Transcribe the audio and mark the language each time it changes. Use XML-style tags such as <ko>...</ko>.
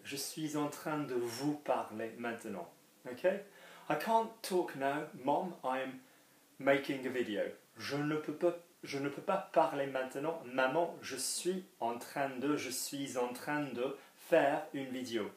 <fr>Je suis en train de vous parler maintenant.</fr> <en>Okay? I can't talk now, mom, I'm making a video.</en> <fr>Je ne peux pas parler maintenant, maman, je suis en train de faire une vidéo.</fr>